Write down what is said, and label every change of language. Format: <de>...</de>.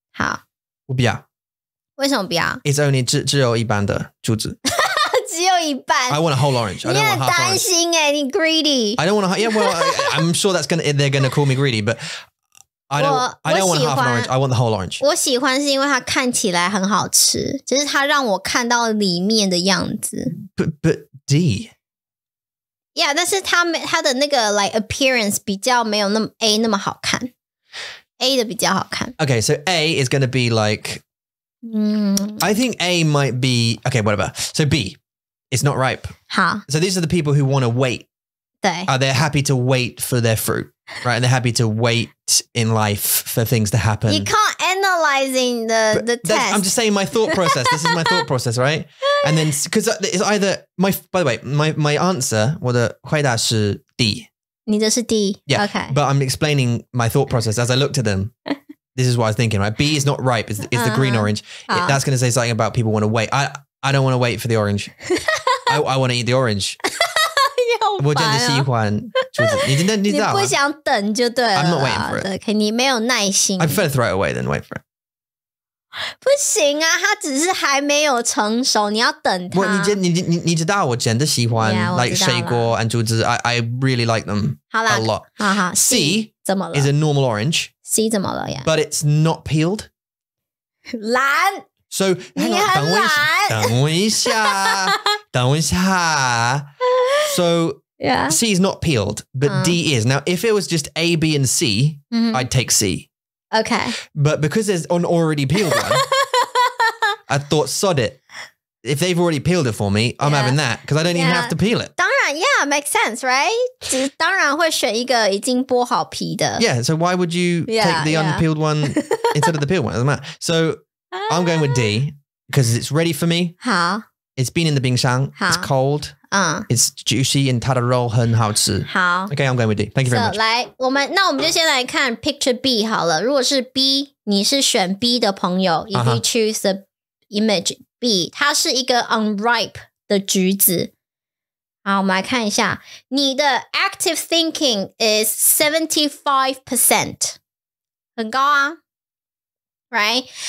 <zh>好。我不要。为什么不要？ It's only 只有一半的橘子。只有一半。</zh> <en>I want a whole orange. I don't want half orange.</en> <zh>你很担心哎，你 greedy.</zh> <en>I don't want a whole, yeah. Well, I'm sure they're going to call me greedy, but. I don't want half an orange, I want the whole orange.</en> <zh>我喜欢是因为它看起来很好吃，就是它让我看到里面的样子。</zh> <en>But D?</en> <zh>Yeah, 但是它的那个 like appearance 比较没有那么 A 那么好看。A 的比较好看。</zh> <en>Okay, so A is going to be like... I think A might be... Okay, whatever. So B, it's not ripe.</en> <zh>好。</zh> <en>So these are the people who want to wait.</en> <zh>对。</zh> <en>They're happy to wait for their fruit. Right, and they're happy to wait in life for things to happen. You can't analyzing the test. I'm just saying my thought process. This is my thought process, right? And then, because it's either, by the way, my answer, 我的回答是 D.</en> <zh>你的是 D.</zh> <en>Yeah, okay. But I'm explaining my thought process as I looked at them. This is what I was thinking, right? B is not ripe, it's the green orange. That's going to say something about people want to wait. I don't want to wait for the orange. I want to eat the orange.</en> <zh>我真的喜欢橘子，你真的你不想等就对了。</zh> <en>I'm not waiting for it.</en> <zh>对，你没有耐心。</zh> <en>I prefer to throw it away than wait for it.</en> <zh>不行啊，它只是还没有成熟，你要等它。你知道我真的喜欢</zh> <en>yeah, like 水果 and 橘子 I really like them a lot.</en> <zh>好啦，好好。 C 怎么了</zh> <en>？Is a normal orange.</en> <zh>C 怎么了呀</zh> <en>？But it's not peeled.</en> <zh>懒。</zh> <en>So, hang on, 等我一下，等我一下，等我一下。 So, yeah. C is not peeled, but D is. Now, if it was just A, B, and C, I'd take C. Okay. But because there's an already peeled one, I thought, sod it. If they've already peeled it for me, I'm having that, because I don't even have to peel it. 当然, yeah, makes sense, right?</en> <zh>只是当然会选一个已经剥好皮的。</zh> <en>Yeah, so why would you take the unpeeled one instead of the peeled one? Doesn't matter. So,I'm going with D because it's ready for me.</en> <zh>好</zh> <en>It's been in the 冰箱 It's cold. It's juicy and 它的肉很好吃</en> <zh>好</zh> <en>Okay, I'm going with D. Thank you very much.</en> <zh>来我们那我们就先来看 picture B 好了如果是 B 你是选 B 的朋友 If you choose the image B 它是一个 unripe 的橘子好我们来看一下你的 active thinking is 75% 很高啊 Right?</zh>